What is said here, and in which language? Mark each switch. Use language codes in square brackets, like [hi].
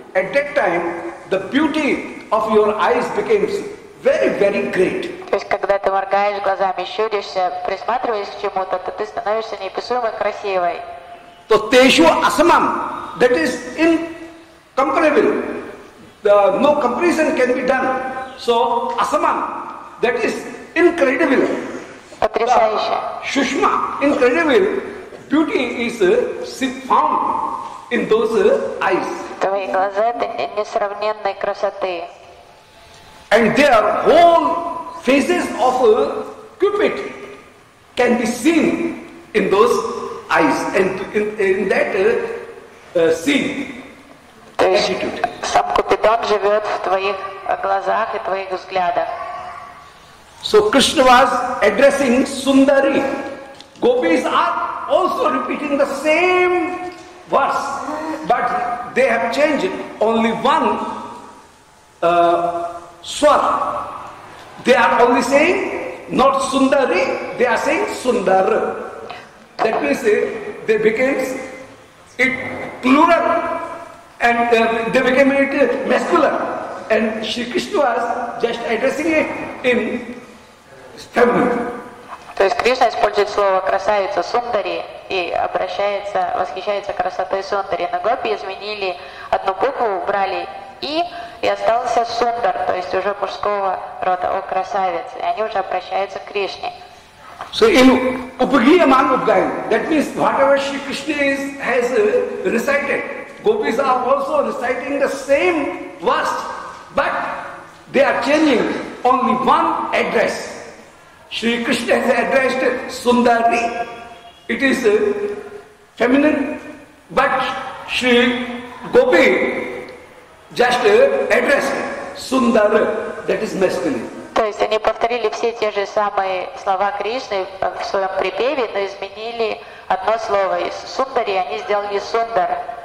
[en] At that time, the beauty of your eyes becomes very, very great. [ru] То есть, когда ты моргаешь глазами, щуришься, присматриваешься к чему-то, то ты становишься неописуемо красивой. [en] То teshu asamam, that is incomparable. No comparison can be done. So, asamam, that is incredible. [ru] Потрясающе. [en] Shushma, incredible. Beauty is found in those eyes. [ru] Твои глаза — это несравненной красоты. [en] And there are whole faces of Cupid can be seen in those eyes and in that scene. [ru] То есть сам Купидон живет в твоих глазах и твоих взглядах. [en] So Krishna was addressing Sundari. Gopis are also repeating the same verse, but they have changed only one swar. They are only saying not Sundari, they are saying Sundar. That means they became it plural and they became it masculine. And Shri Krishna was just addressing it in feminine. [ru] То есть Кришна использует слово «красавица» Сундари и обращается, восхищается красотой Сундари. Но гопи изменили одну букву, убрали «и», и остался Сундар, то есть уже мужского рода, о красавице. И они уже обращаются к Кришне. [en] So in Upagiyaman Upagayan, that means whatever Shri Krishna has recited, gopis are also reciting the same verse, but they are changing only one address. Shri Krishna has addressed Sundari. It is feminine, but Shri Gopi just addressed Sundar, that is masculine. [ru] То есть они повторили все те же самые слова Кришны в своем припеве, но изменили одно слово. Из Сундари они сделали Сундар.